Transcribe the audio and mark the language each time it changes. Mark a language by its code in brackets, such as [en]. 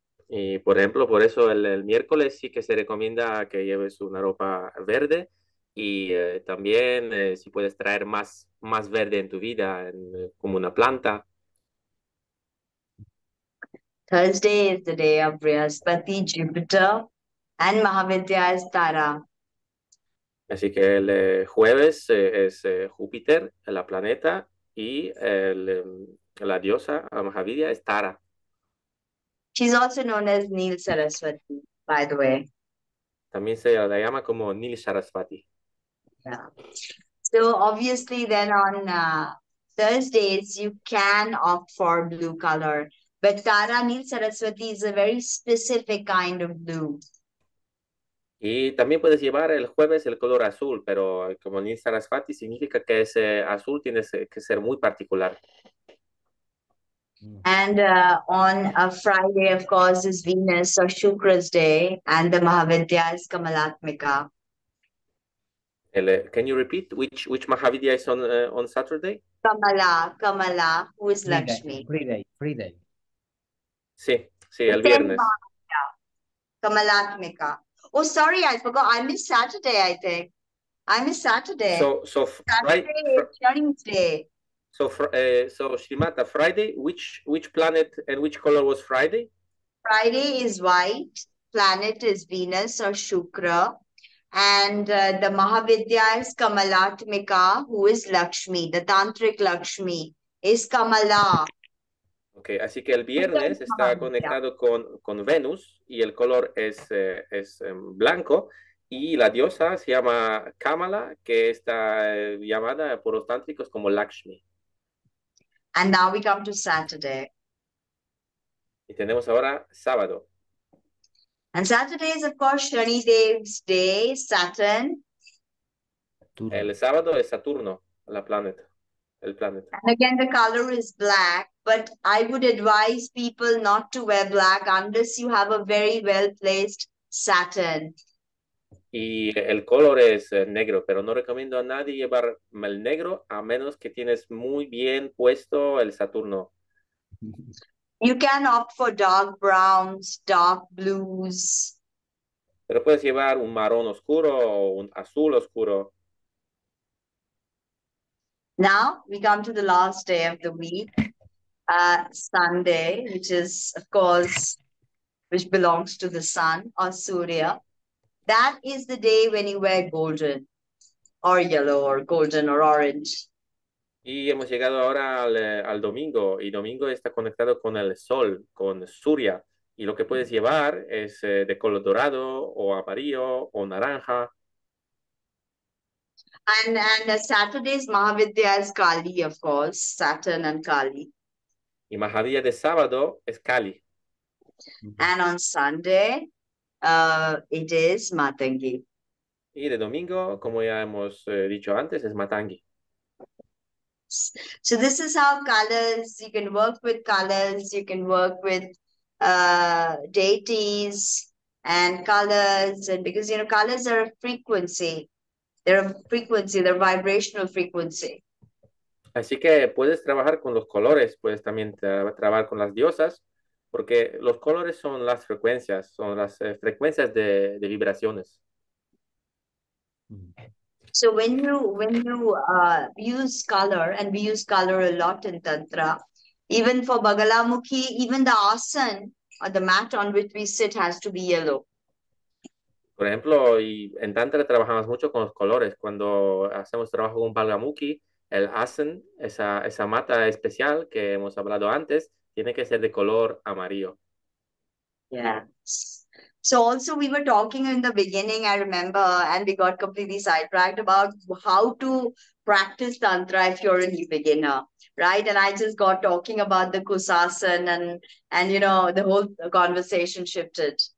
[es] Y por ejemplo, por eso el miércoles sí que se recomienda que lleves una ropa verde y también si puedes traer más verde en tu vida, como una planta. [en] Thursday is the day of Brihaspati, Jupiter, and Mahavidya is Tara. [es] Así que el jueves es Júpiter, la planeta, y la diosa Mahavidya es Tara. [en] She's also known as Neel Saraswati, by the way. [es] También se la llama como Neel Saraswati. [en] Yeah. So obviously then on Thursdays, you can opt for blue color. But Tara Neel Saraswati is a very specific kind of blue. [es] Y también puedes llevar el jueves el color azul, pero como Neel Saraswati significa que ese azul tiene que ser muy particular. [en] And on a Friday, of course, is Venus or Shukra's day, and the Mahavidya is Kamalatmika. Can you repeat which Mahavidya is on Saturday? Kamala, who is Friday, Lakshmi? Friday. [es] Sí, el viernes. [en] Kamalatmika. Oh, sorry, I forgot. I'm in Saturday, I think. I'm in Saturday. So Saturday is Chinese day. So Shrimata, Friday, which planet and which color was Friday? Friday is white. Planet is Venus or Shukra. And the Mahavidya is Kamalatmika, who is Lakshmi, the Tantric Lakshmi, is Kamala. [es] Ok, así que el viernes está conectado con Venus y el color es blanco y la diosa se llama Kamala, que está llamada por los tántricos como Lakshmi. [en] And now we come to Saturday. [es] Y tenemos ahora sábado. [en] And Saturday is of course Shani Dev's day, Saturn. [es] El sábado es Saturno, la planeta. El planeta. [en] And again, the color is black, but I would advise people not to wear black unless you have a very well-placed Saturn. [es] Y el color es negro, pero no recomiendo a nadie llevar el negro a menos que tienes muy bien puesto el Saturno. [en] You can opt for dark browns, dark blues. [es] Pero puedes llevar un marrón oscuro o un azul oscuro. [en] Now we come to the last day of the week, Sunday, which is, of course, which belongs to the sun or Surya. That is the day when you wear golden or yellow or golden or orange. [es] Y hemos llegado ahora al domingo, y domingo está conectado con el sol, con Surya. Y lo que puedes llevar es de color dorado o amarillo o naranja. [en] And Saturday's Mahavidya is Kali, of course, Saturn and Kali. [es] Y Mahavidya de sábado es Kali. [en] And on Sunday, it is Matangi. [es] Y de domingo, como ya hemos dicho antes, es Matangi. [en] So this is how colors, you can work with colors, you can work with deities and colors, and because, you know, colors are a frequency. They're a frequency, they're a vibrational frequency. [es] Así que puedes trabajar con los colores, puedes también trabajar con las diosas, porque los colores son las frecuencias de vibraciones. [en] So when you use color, and we use color a lot in Tantra, even for Bagalamukhi, even the asana or the mat on which we sit has to be yellow. [es] Por ejemplo, y en Tantra trabajamos mucho con los colores. Cuando hacemos trabajo con Bagalamukhi, el asana, esa mata especial que hemos hablado antes, tiene que ser de color amarillo. [en] Yes. So also we were talking in the beginning, I remember, and we got completely sidetracked about how to practice Tantra if you're a new beginner, right? And I just got talking about the Kusasan and you know, the whole conversation shifted.